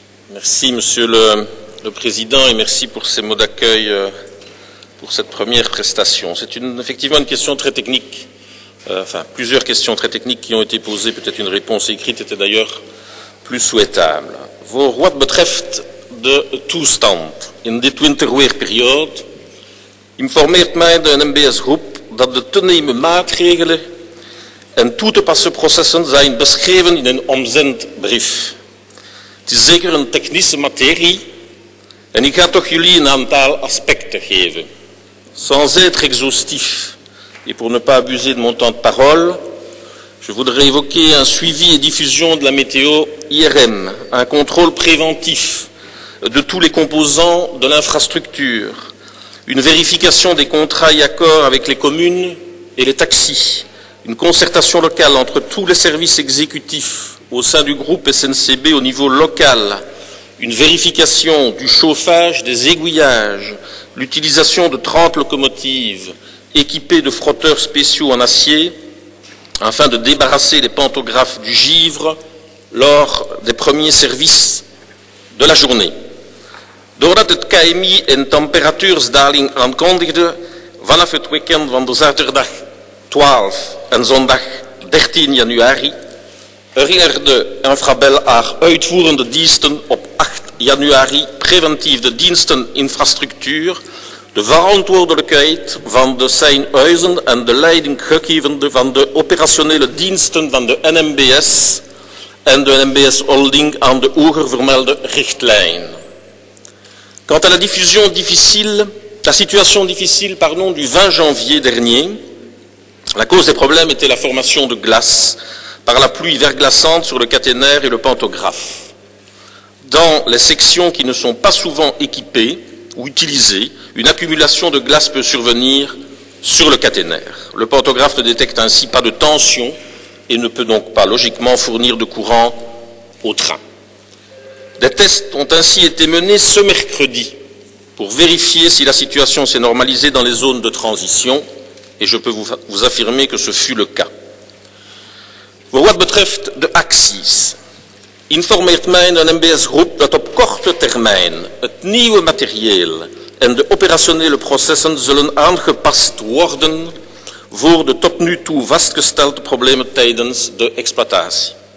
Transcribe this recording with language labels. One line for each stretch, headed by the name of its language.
French: Merci monsieur le président et merci pour ces mots d'accueil pour cette première prestation. C'est effectivement une question très technique, plusieurs questions très techniques qui ont été posées, peut-être une réponse écrite était d'ailleurs plus souhaitable.
Dutch: Voor wat betreft de toestand in dit winterweerperiode, informeert mij de NMBS-groep dat de te nemen maatregelen en toe te passen processen zijn beschreven in een omzendbrief. Het is zeker een technische materie en ik ga toch jullie een aantal aspecten geven.
French: Sans être exhaustif et pour ne pas abuser de mon temps de parole, je voudrais évoquer un suivi et diffusion de la météo IRM, un contrôle préventif de tous les composants de l'infrastructure, une vérification des contrats et accords avec les communes et les taxis, une concertation locale entre tous les services exécutifs au sein du groupe SNCB au niveau local, une vérification du chauffage, des aiguillages, l'utilisation de 30 locomotives équipées de frotteurs spéciaux en acier, afin de débarrasser les pantographes du givre lors des premiers services de la journée.
Dutch: Doordat het KMI en temperatuursdaling aankondigde, vanaf het weekend van de zaterdag 12 en zondag 13 januari, Rier de Infrabel haar uitvoerende diensten op 8 januari preventief de diensteninfrastructuur, de verantwoordelijkheid van de Seinhuizen en de leidinggevende van de operationele diensten van de NMBS en de NMBS Holding aan de hoger vermelde richtlijn.
French: Quant à la diffusion difficile, la situation difficile, pardon, du 20 janvier dernier, la cause des problèmes était la formation de glace par la pluie verglaçante sur le caténaire et le pantographe. Dans les sections qui ne sont pas souvent équipées ou utilisées, une accumulation de glace peut survenir sur le caténaire. Le pantographe ne détecte ainsi pas de tension et ne peut donc pas logiquement fournir de courant au train. Des tests ont ainsi été menés ce mercredi pour vérifier si la situation s'est normalisée dans les zones de transition et je peux vous affirmer que ce fut le cas.
Dutch: Voor wat betreft de acties, informeert mij een NMBS-groep dat op korte termijn het nieuwe materieel en de operationele processen zullen aangepast worden voor de tot nu toe vastgestelde problemen tijdens de exploitatie.